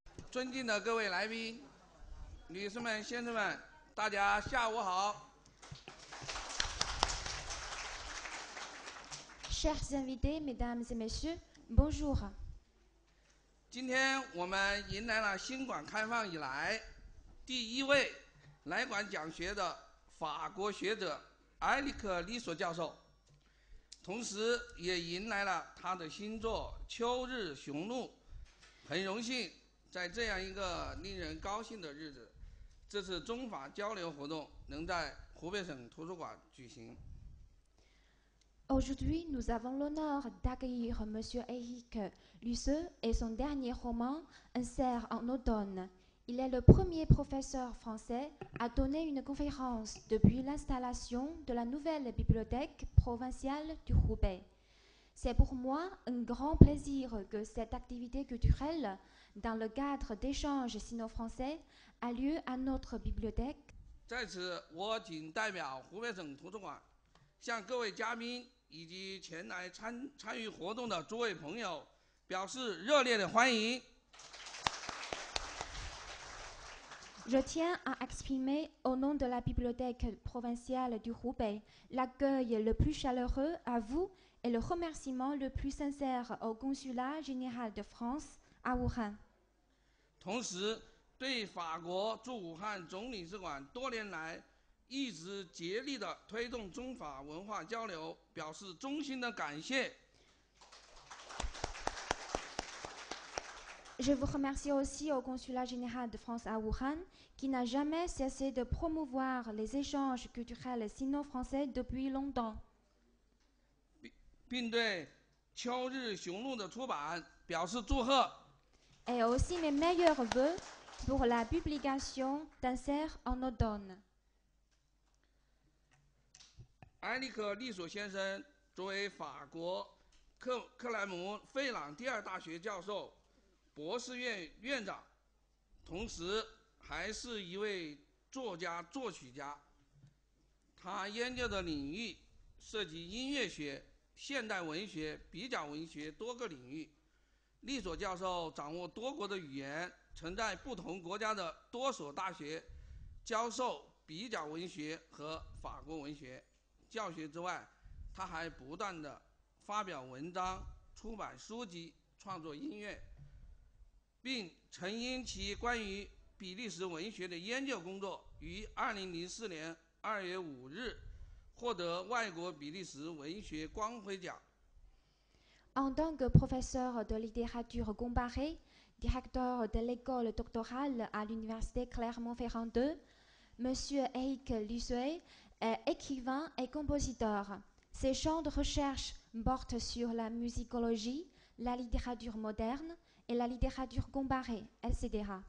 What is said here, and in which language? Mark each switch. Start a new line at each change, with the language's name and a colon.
Chinese: 尊敬的各位来宾、女士们、先生们，大家下午好。
French: Chers invités, mesdames et messieurs, bonjour.
Chinese: 今天我们迎来了新馆开放以来第一位来馆讲学的法国学者埃里克·里索教授，同时也迎来了他的新作《秋日雄鹿》。很荣幸在这样一个令人高兴的日子，这次中法交流活动能在湖北省图书馆举行。
French: Aujourd'hui, nous avons l'honneur d'accueillir M. Éric Lisseau et son dernier roman, Un cerf en automne. Il est le premier professeur français à donner une conférence depuis l'installation de la nouvelle bibliothèque provinciale du Hubei. C'est pour moi un grand plaisir que cette activité culturelle, dans le cadre d'échanges sino-français, a lieu à notre bibliothèque.
Chinese: 在此，我谨代表湖北省图书馆向各位嘉宾以及前来参与活动的诸位朋友表示热烈的欢迎。
French: Je tiens à exprimer au nom de la Bibliothèque provinciale du Hubei l'accueil le plus chaleureux à vous et le remerciement le plus sincère au Consulat général de France à Wuhan.
Chinese: 同时，对法国驻武汉总领事馆多年来一直竭力地推动中法文化交流表示衷心的感谢。
French: Je vous remercie aussi au Consulat général de France à Wuhan, qui n'a jamais cessé de promouvoir les échanges culturels sino-français depuis longtemps.
Chinese: 并对《秋日雄鹿》的出版表示祝贺。
French: Et aussi mes meilleurs voeux pour la publication d'un cerf en automne.
Chinese: 埃里克·利索先生作为法国 克莱蒙费朗第二大学教授博士院院长，同时还是一位作家作曲家。他研究的领域涉及音乐学、现代文学、比较文学多个领域。利索教授掌握多国的语言，曾在不同国家的多所大学教授比较文学和法国文学。教学之外，他还不断地发表文章、出版书籍、创作音乐，并曾因其关于比利时文学的研究工作，于2004年2月5日获得外国比利时文学光辉奖。
French: En tant que professeur de littérature comparée, directeur de l'école doctorale à l'université Clermont-Ferrand II, Monsieur Éric Lisseau est écrivain et compositeur. Ses champs de recherche portent sur la musicologie, la littérature moderne et la littérature comparée, etc.